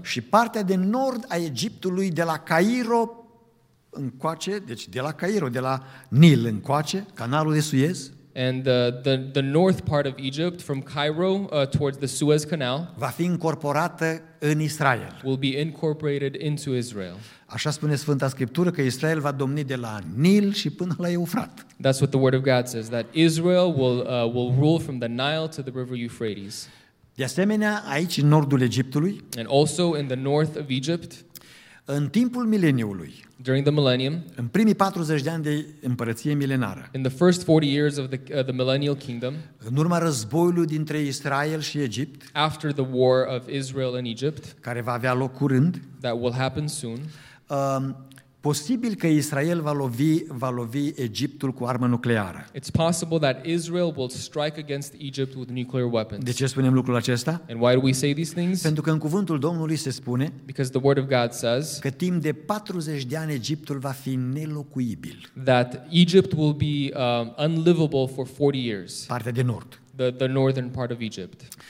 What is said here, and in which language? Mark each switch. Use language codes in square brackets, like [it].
[ro] Și partea de nord a Egiptului, de la Cairo încoace, deci de la Cairo, de la Nil încoace, canalul de Suez. [en] And the north part of Egypt, from Cairo towards the Suez Canal, [ro] va fi incorporată în Israel. [en] Will be incorporated into Israel. [ro] Așa spune Sfânta Scriptură, că Israel va domni de la Nil și până la Eufrat. [en] That's what the word of God says, that Israel will rule from the Nile to the river Euphrates. [ro] De asemenea, aici în nordul Egiptului, [en] and also in the north of Egypt, [ro] în timpul mileniului, [en] during the millennium, [ro] în primii 40 de ani de împărăție milenară, [en] in the first 40 years of the millennial kingdom, [ro] în urma războiului dintre Israel și Egipt, [en] after the war of Israel and Egypt, [ro] care va avea loc curând, [en] that will happen soon, [ro] posibil că Israel va lovi Egiptul cu armă nucleară. [en] It's possible that Israel will strike against Egypt with nuclear weapons. [ro] De ce spunem lucrul acesta? [en] And why do we say these things? [ro] Pentru că în cuvântul Domnului se spune, [en] because the word of God says, [ro] că timp de 40 de ani Egiptul va fi nelocuibil. [en] That Egypt will be unlivable for 40 years. [ro] Partea de nord. [en] The northern part of Egypt.